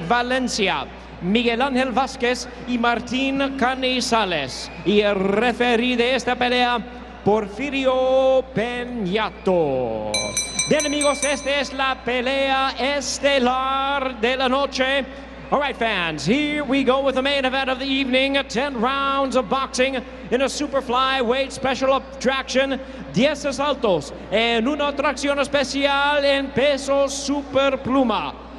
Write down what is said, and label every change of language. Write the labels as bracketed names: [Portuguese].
[Spanish] Valencia, Miguel Ángel Vázquez y Martín Canizales. Y el referí de esta pelea, Porfirio Peñato. Bien, amigos, esta es la pelea estelar de la noche. [English] All right, fans, here we go with the main event of the evening. 10 rounds of boxing in a super fly weight special attraction. [Spanish] 10 asaltos en una atracción especial en peso super pluma.